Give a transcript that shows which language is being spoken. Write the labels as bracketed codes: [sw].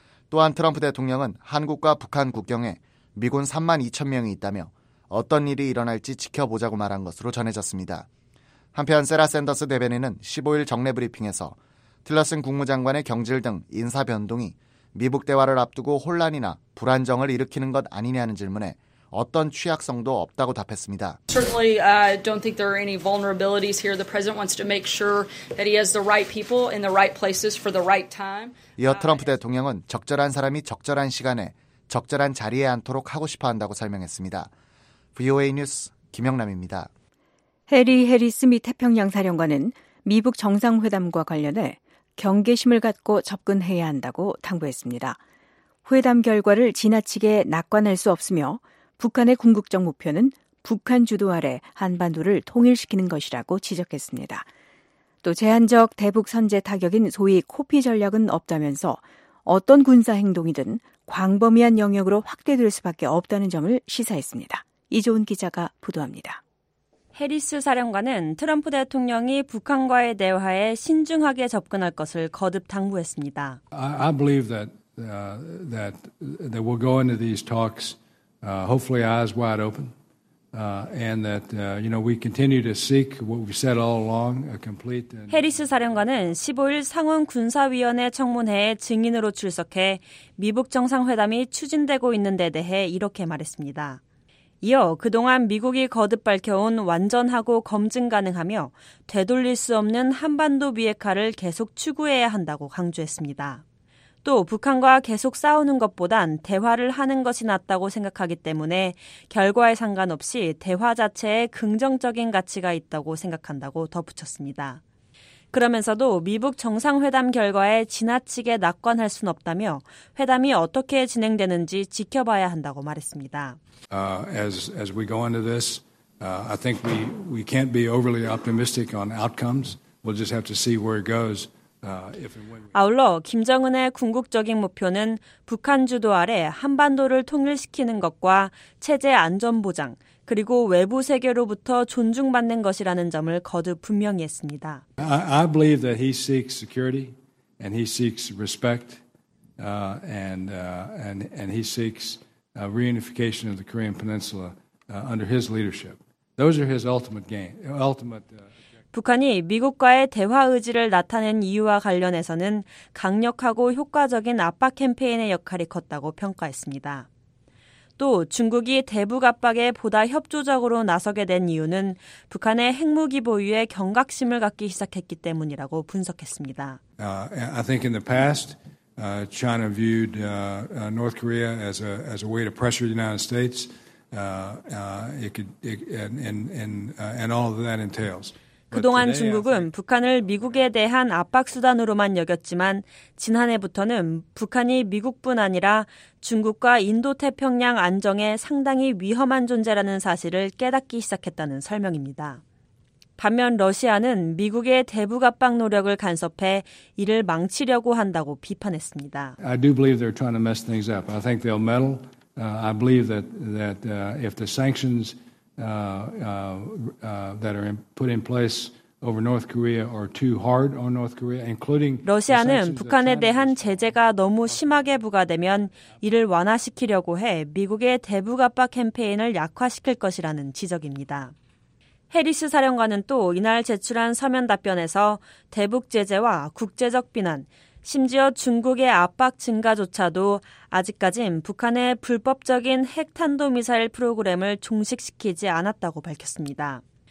[ko] 또한 트럼프 대통령은 한국과 북한 국경에 미군 3만 2천 명이 있다며 어떤 일이 일어날지 지켜보자고 말한 것으로 전해졌습니다. 한편 세라 샌더스 대변인은 15일 정례 브리핑에서 틸러슨 국무장관의 경질 등 인사 변동이 미북 대화를 앞두고 혼란이나 불안정을 일으키는 것 아니냐는 질문에 어떤 취약성도 없다고 답했습니다. [en] Certainly, I don't think there are any vulnerabilities here. The president wants to make sure that he has the right people in the right places for the right time. [ko] 이어 트럼프 대통령은 적절한 사람이 적절한 시간에 적절한 자리에 앉도록 하고 싶어한다고 설명했습니다. VOA 뉴스 김영남입니다. 해리 해리스 미 태평양 사령관은 미북 정상회담과 관련해 경계심을 갖고 접근해야 한다고 당부했습니다. 회담 결과를 지나치게 낙관할 수 없으며 북한의 궁극적 목표는 북한 주도 아래 한반도를 통일시키는 것이라고 지적했습니다. 또 제한적 대북 선제 타격인 소위 코피 전략은 없다면서 어떤 군사 행동이든 광범위한 영역으로 확대될 수밖에 없다는 점을 시사했습니다. 이조은 기자가 보도합니다. 해리스 사령관은 트럼프 대통령이 북한과의 대화에 신중하게 접근할 것을 거듭 당부했습니다. [en] I believe that that that we'll go into these talks hopefully eyes wide open, and that you know we continue to seek what we've said all along, a complete. [ko] 해리스 사령관은 15일 상원 군사위원회 청문회에 증인으로 출석해 미북 정상회담이 추진되고 있는 데 대해 이렇게 말했습니다. 이어 그동안 미국이 거듭 밝혀온 완전하고 검증 가능하며 되돌릴 수 없는 한반도 비핵화를 계속 추구해야 한다고 강조했습니다. 또 북한과 계속 싸우는 것보단 대화를 하는 것이 낫다고 생각하기 때문에 결과에 상관없이 대화 자체에 긍정적인 가치가 있다고 생각한다고 덧붙였습니다. 그러면서도 미북 정상회담 결과에 지나치게 낙관할 순 없다며 회담이 어떻게 진행되는지 지켜봐야 한다고 말했습니다. [en] As we go into this, I think we can't be overly optimistic on outcomes. We'll just have to see where it goes. [ko] 아울러 김정은의 궁극적인 목표는 북한 주도 아래 한반도를 통일시키는 것과 체제 안전보장 그리고 외부 세계로부터 존중받는 것이라는 점을 거듭 분명히 했습니다. [en] I believe that he seeks security and he seeks respect and he seeks reunification of the Korean Peninsula under his leadership. Those are his ultimate game, ultimate. [ko] 북한이 미국과의 대화 의지를 나타낸 이유와 관련해서는 강력하고 효과적인 압박 캠페인의 역할이 컸다고 평가했습니다. 또 중국이 대북 압박에 보다 협조적으로 나서게 된 이유는 북한의 핵무기 보유에 경각심을 갖기 시작했기 때문이라고 분석했습니다. [en] I think in the past, China viewed North Korea as a way to pressure the United States. And all that entails. [ko] 그동안 중국은 북한을 미국에 대한 압박수단으로만 여겼지만 지난해부터는 북한이 미국뿐 아니라 중국과 인도태평양 안정에 상당히 위험한 존재라는 사실을 깨닫기 시작했다는 설명입니다. 반면 러시아는 미국의 대북 압박 노력을 간섭해 이를 망치려고 한다고 비판했습니다. [en] I do believe they're trying to mess things up. I think they'll meddle. I believe that if the sanctions that are put in place over North Korea are too hard on North Korea, including. [ko] 러시아는 북한에 대한 제재가 너무 심하게 부과되면 이를 완화시키려고 해 미국의 대북 압박 캠페인을 약화시킬 것이라는 지적입니다. 해리스 사령관은 또 이날 제출한 서면 답변에서 대북 제재와 국제적 비난, 심지어 중국의 압박 증가조차도 아직까진 북한의 불법적인 핵탄도미사일 프로그램을 종식시키지 않았다고 밝혔습니다.